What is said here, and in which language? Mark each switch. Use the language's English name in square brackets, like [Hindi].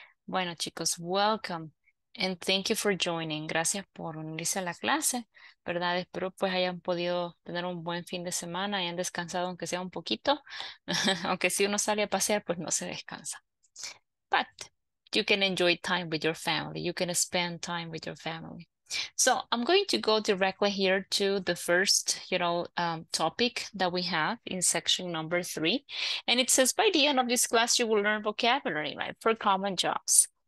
[Spanish] Bueno, chicos, [English] welcome and thank you for joining. [Spanish] Gracias por unirse a la clase, ¿verdad? Espero pues hayan podido tener un buen fin de semana, hayan descansado aunque sea un poquito. Aunque si uno sale a pasear, pues no se descansa. [English] But you can enjoy time with your family. You can spend time with your family. So I'm going to go directly here to the first, you know, topic that we have in section number 3. And it says by the end of this class, you will learn vocabulary, right, for common jobs.